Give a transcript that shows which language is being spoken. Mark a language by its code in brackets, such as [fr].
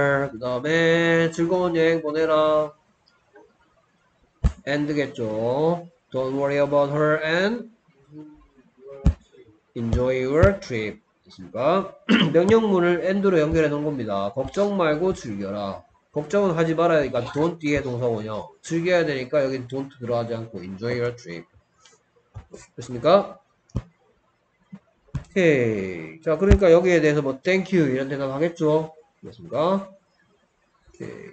[ko] 그 다음에 즐거운 여행 보내라. And겠죠. [en] Don't worry about her and Enjoy your trip. [ko] 됐습니까? 명령문을 end로 연결해 놓은 겁니다. 걱정 말고 즐겨라. 걱정은 하지 말아야 하니까 don't 뒤에 동사원형. 즐겨야 되니까 여기 don't 들어가지 않고 [en] enjoy your trip. [ko] 됐습니까? 오케이. 자, 그러니까 여기에 대해서 뭐 thank you 이런 대답 하겠죠? 됐습니까? 오케이.